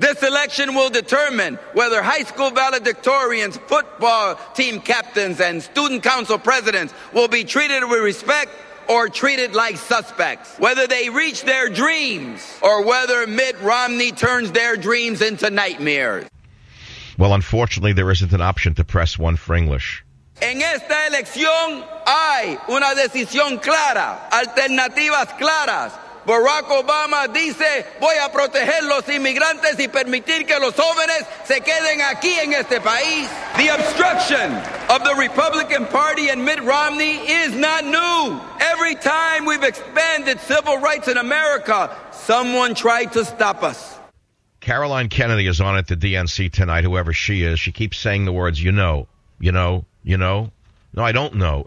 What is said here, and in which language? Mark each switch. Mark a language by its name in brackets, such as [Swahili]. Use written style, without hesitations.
[English] This election will determine whether high school valedictorians, football team captains, and student council presidents will be treated with respect or treated like suspects, whether they reach their dreams or whether Mitt Romney turns their dreams into nightmares. Well, unfortunately, there isn't an option to press one for English. [Spanish] En esta elección hay una decisión clara, alternativas claras. Barack Obama dice, voy a proteger los inmigrantes y permitir que los jóvenes se queden aquí en este país. [English] The obstruction of the Republican Party and Mitt Romney is not new. Every time we've expanded civil rights in America, someone tried to stop us. Caroline Kennedy is on at the DNC tonight, whoever she is. She keeps saying the words, you know, you know, you know. No, I don't know.